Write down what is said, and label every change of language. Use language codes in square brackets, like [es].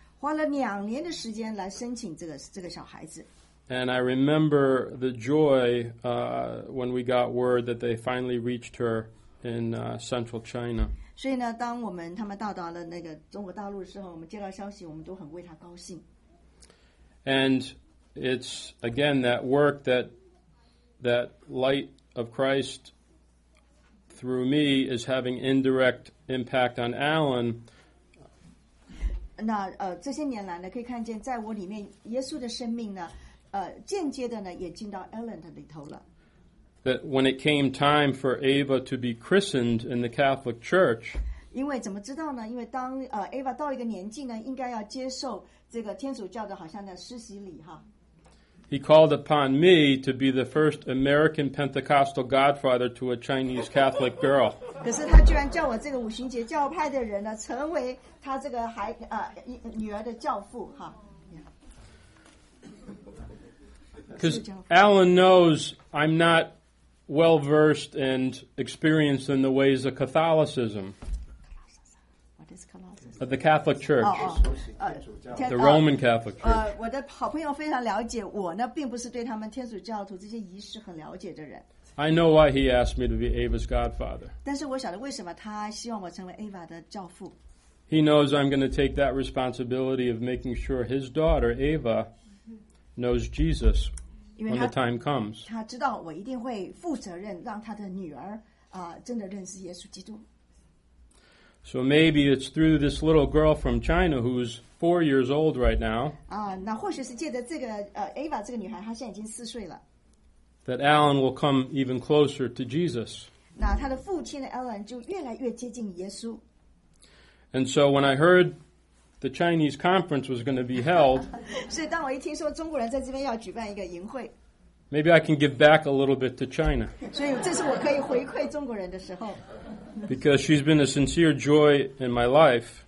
[zh] 花了两年的时间来申请这个小孩子。 [en] And I remember the joy when we got word that they finally reached her in central China. [zh] 所以呢，当我们他们到达了那个中国大陆的时候，我们接到消息，我们都很为他高兴。 [en] And it's again that work that light of Christ through me is having indirect impact on Alan. [zh] 那这些年来呢，可以看见在我里面耶稣的生命呢，间接的呢也进到 Alan 的里头了。 [en] That when it came time for Ava to be christened in the Catholic Church, [zh] 因为怎么知道呢？因为当Ava 到一个年纪呢，应该要接受这个天主教的好像的施洗礼哈。 [en] He called upon me to be the first American Pentecostal godfather to a Chinese Catholic girl. [zh] 可是他居然叫我这个五旬节教派的人呢，成为他这个女儿的教父哈。 [en] Because Alan knows I'm not well versed and experienced in the ways of Catholicism. What is Catholicism? The Catholic Church. The Roman Catholic Church. [zh] 我的好朋友非常了解我呢，并不是对他们天主教徒这些仪式很了解的人。 [en] I know why he asked me to be Ava's godfather. [zh] 但是我晓得为什么他希望我成为 Ava 的教父。 [en] He knows I'm going to take that responsibility of making sure his daughter Ava. Knows Jesus when the time comes. [zh] 他知道我一定会负责任，让他的女儿真的认识耶稣基督。 [en] So maybe it's through this little girl from China who's 4 years old right now. [zh] 那或许是借着这个Ava 这个女孩，她现在已经四岁了。 [en] That Alan will come even closer to Jesus. [zh] 那他的父亲的 Alan 就越来越接近耶稣。 [en] And so when I heard. The Chinese conference was going to be held. [zh] 所以当我一听说中国人在这边要举办一个营会 [en] ，Maybe I can give back a little bit to China. [zh] 所以这是我可以回馈中国人的时候。 [en] Because she's been a sincere joy in my life.